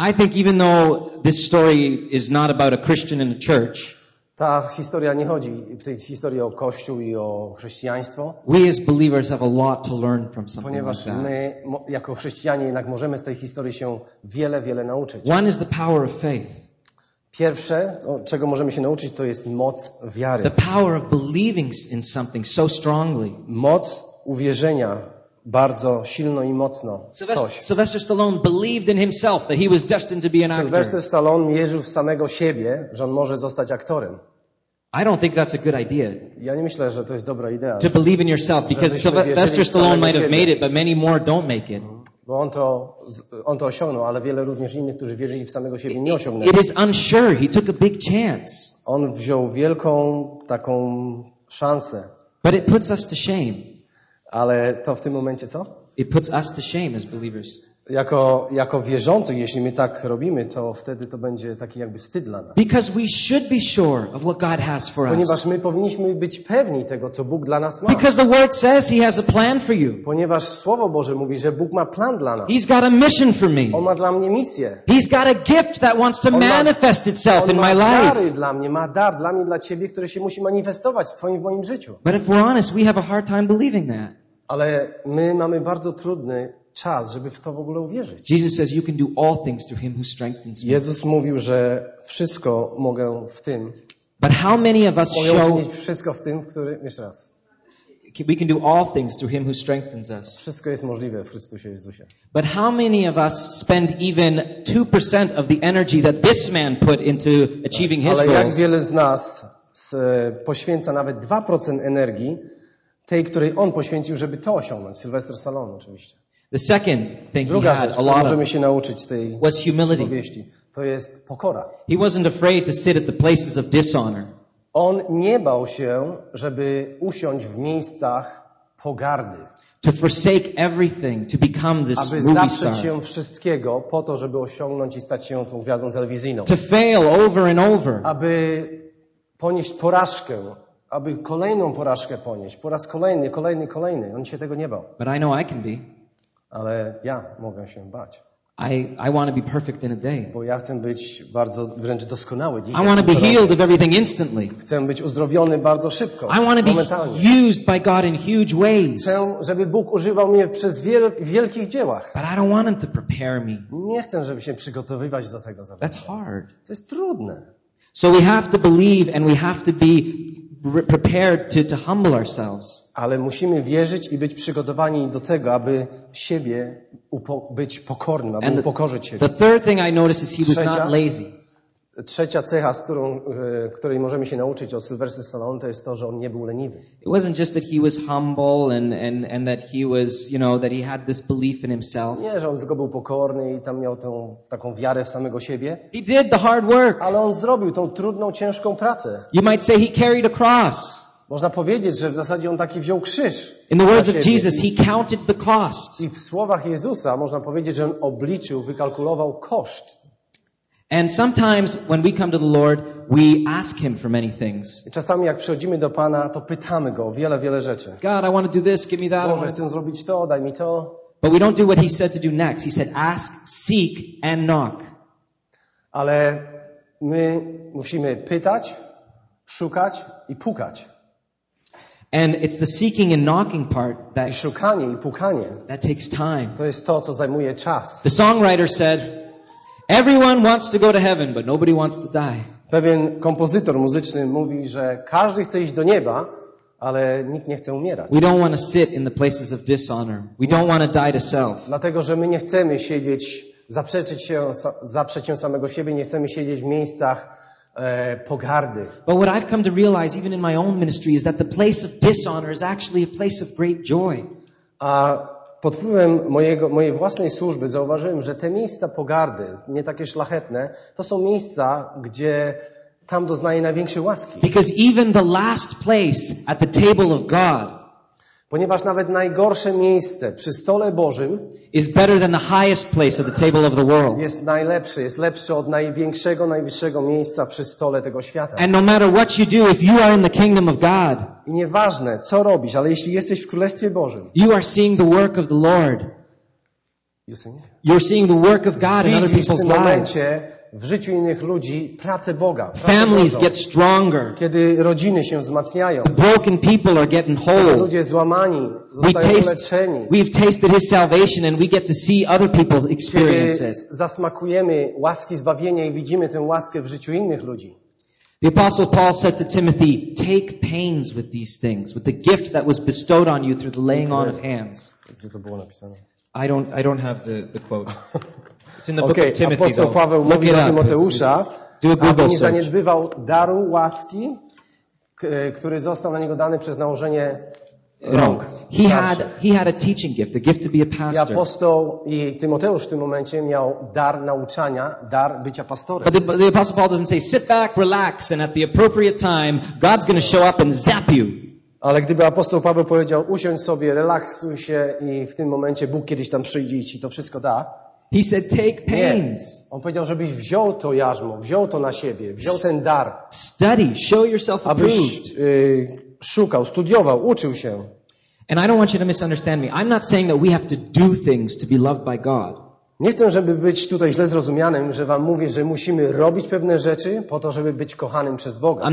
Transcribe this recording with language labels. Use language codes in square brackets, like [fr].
[en] I think even though this story is not about a Christian and a church, [pl] ta historia nie chodzi w tej historii o kościół i o chrześcijaństwo. [en] We as believers have a lot to learn from something. [pl] Ponieważ [en] like [pl] my jako chrześcijanie jednak możemy z tej historii się wiele, wiele nauczyć. [en] One is the power of faith. [pl] Pierwsze, czego możemy się nauczyć, to jest moc wiary. [en] The power of believing in something so strongly. [pl] Moc uwierzenia bardzo silno i mocno w coś. [en] Sylvester Stallone believed in himself that he was destined to be an actor. [pl] Sylvester Stallone wierzył w samego siebie, że on może zostać aktorem. [en] I don't think that's a good idea. [pl] Ja nie myślę, że to jest dobra idea. [en] To believe in yourself because Sylvester Stallone might have made it, but many more don't make it. [pl] Bo on to osiągnął, ale wiele również innych, którzy wierzyli w samego siebie, nie osiągnęli. [en] It is unsure. He took a big chance. [pl] On wziął wielką taką szansę. [en] But it puts us to shame. [pl] Ale to w tym momencie co? [en] It puts us to shame as believers. [pl] Jako wierzący, jeśli my tak robimy, to wtedy to będzie taki jakby wstyd dla nas. [en] Because we should be sure of what God has for us. [pl] Ponieważ my powinniśmy być pewni tego, co Bóg dla nas ma. [en] Because the word says he has a plan for you. [pl] Ponieważ Słowo Boże mówi, że Bóg ma plan dla nas. [en] He's got a mission for me. [pl] On ma dla mnie misję. [en] He's got a gift that wants to manifest itself in my life. [pl] On ma dary dla mnie, ma dar dla mnie, dla ciebie, który się musi manifestować w twoim, w moim życiu. [en] But if we're honest, we have a hard time believing that. [pl] Ale my mamy bardzo trudny czas, żeby w to w ogóle uwierzyć. [en] Jesus says you can do all things through him who strengthens me. [pl] Jezus mówił, że wszystko mogę w tym. [en] But how many of us show [pl] wszystko w tym, który jeszcze raz. [en] We can do all things through him who strengthens us. [pl] Wszystko jest możliwe w Chrystusie Jezusie. [en] But how many of us spend even 2% of the energy that this man put into achieving his goals? [pl] Ale jak wiele z nas poświęca nawet 2% energii tej, której on poświęcił, żeby to osiągnąć. Sylvester Stallone oczywiście. [en] The second thing [pl] druga [en] he had [pl] rzecz, [en] a lot [pl] możemy się nauczyć tej [en] was humility. [pl] To jest pokora. [en] He wasn't afraid to sit at the places of dishonor. [pl] On nie bał się, żeby usiąść w miejscach pogardy. [en] To forsake everything to become this movie star. [pl] Aby zaprzeć się wszystkiego po to, żeby osiągnąć i stać się tą gwiazdą telewizyjną. [en] To fail over and over. [pl] Aby ponieść porażkę. Aby kolejną porażkę ponieść. Po raz kolejny, kolejny, kolejny. On się tego nie bał. [en] But I know I can be. [pl] Ale ja mogę się bać. [en] I want to be perfect in a day. [pl] Bo ja chcę być bardzo wręcz doskonały dzisiaj. [en] I want to be healed of everything instantly. [pl] Chcę być uzdrowiony bardzo szybko. [en] I want to be used by God in huge ways. [pl] Chcę, żeby Bóg używał mnie przez wielkich dziełach. [en] But I don't want him to prepare me. [pl] Nie chcę, żeby się przygotowywać do tego za bardzo. [en] That's hard. [pl] To jest trudne. [en] So we have to believe and we have to be prepared to humble ourselves. [pl] Ale musimy wierzyć i być przygotowani do tego, aby siebie być pokornym, aby upokorzyć się. [en] The third thing I noticed is he was not lazy. [pl] Trzecia cecha, z którą, której możemy się nauczyć od Sylwestra Stallone, to jest to, że on nie był leniwy. [en] It wasn't just that he was humble and that he was, you know, that he had this belief in himself. [pl] Nie, że on tylko był pokorny i tam miał tą taką wiarę w samego siebie. [en] He did the hard work. [pl] Ale on zrobił tą trudną, ciężką pracę. [en] You might say he carried a cross. [pl] Można powiedzieć, że w zasadzie on taki wziął krzyż. [en] In the words of Jesus, he counted the cost. [pl] I w słowach Jezusa można powiedzieć, że on obliczył, wykalkulował koszt. [en] And sometimes when we come to the Lord, we ask him for many things. [pl] Czasami jak przychodzimy do Pana, to pytamy go o wiele, wiele rzeczy. [en] God, I want to do this, give me that. [pl] Boże, chcę zrobić to, daj mi to. [en] But we don't do what he said to do next. He said ask, seek and knock. [pl] Ale my musimy pytać, szukać i pukać. [en] And it's the seeking and knocking part that [pl] szukanie i pukanie. [en] That takes time. [pl] To jest to, co zajmuje czas. [en] The songwriter said everyone wants to go to heaven, but nobody wants to die. [pl] Pewien kompozytor muzyczny mówi, że każdy chce iść do nieba, ale nikt nie chce umierać. [en] We don't want to sit in the places of dishonor. We don't want to die to self. [pl] Dlatego, że my nie chcemy siedzieć, zaprzeć się samego siebie, nie chcemy siedzieć w miejscach pogardy. [en] But what I've come to realize, even in my own ministry, is that the place of dishonor is actually a place of great joy. [pl] Pod wpływem mojej własnej służby zauważyłem, że te miejsca pogardy, nie takie szlachetne, to są miejsca, gdzie tam doznaję największej łaski. [en] Because even the last place at the table of God, [pl] ponieważ nawet najgorsze miejsce przy stole Bożym [en] is better than the highest place at the table of the world. [pl] Jest najlepsze, jest lepsze od największego, najwyższego miejsca przy stole tego świata. [en] And no matter what you do, if you are in the kingdom of God, [pl] i nieważne, co robisz, ale jeśli jesteś w Królestwie Bożym, [en] you are seeing the work of the Lord. You're seeing the work of God in other people's lives. [pl] W życiu innych ludzi pracę Boga. [en] Families get stronger. [pl] Kiedy rodziny się wzmacniają. [en] The broken people are getting whole. [pl] Ludzie złamani zostają uleczeni. [en] We've tasted his salvation and we get to see other people's experiences. [pl] Kiedy zasmakujemy łaski zbawienia i widzimy tę łaskę w życiu innych ludzi. [en] The apostle Paul said to Timothy, take pains with these things, with the gift that was bestowed on you through the laying on of hands. [pl] Gdzie to było napisane? [en] I don't have the quote. It's in the okay, book of Timothy, [pl] apostoł Paweł mówi do Tymoteusza, aby nie zaniedbywał daru łaski, który został na niego dany przez nałożenie rąk. [en] He had a teaching gift, a gift to be a pastor. [pl] I apostoł i Tymoteusz w tym momencie miał dar nauczania, dar bycia pastorem. [en] But the apostle Paul doesn't say sit back, relax and at the appropriate time God's going to show up and zap you. [pl] Ale gdyby apostoł Paweł powiedział usiądź sobie, relaksuj się i w tym momencie Bóg kiedyś tam przyjdzie i ci to wszystko da. [en] He said take pains. [pl] Nie. On powiedział, żebyś wziął to jarzmo, wziął to na siebie, wziął ten dar. [en] Study, show yourself approved. [pl] Abyś szukał, studiował, uczył się. [en] And I don't want you to misunderstand me. I'm not saying that we have to do things to be loved by God. [pl] Nie chcę, żeby być tutaj źle zrozumianym, że wam mówię, że musimy robić pewne rzeczy po to, żeby być kochanym przez Boga.